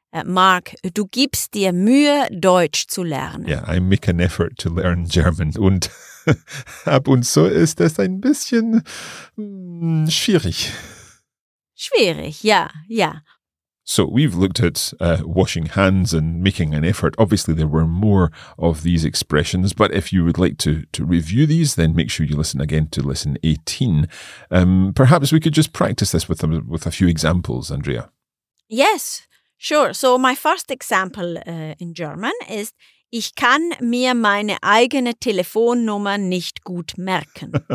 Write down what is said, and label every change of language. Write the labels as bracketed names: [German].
[German] Mark, du gibst dir Mühe, Deutsch zu lernen. [English] Yeah, I make an effort to learn German. [German] Und ab und zu ist das ein bisschen schwierig. [English] Schwierig, yeah, yeah. So we've looked at washing hands and making an effort. Obviously, there were more of these expressions, but if you would like to review these, then make sure you listen again to lesson 18. Perhaps we could just practice this with a few examples, Andrea. Yes, sure. So my first example in German is [German] ich kann mir meine eigene Telefonnummer nicht gut merken.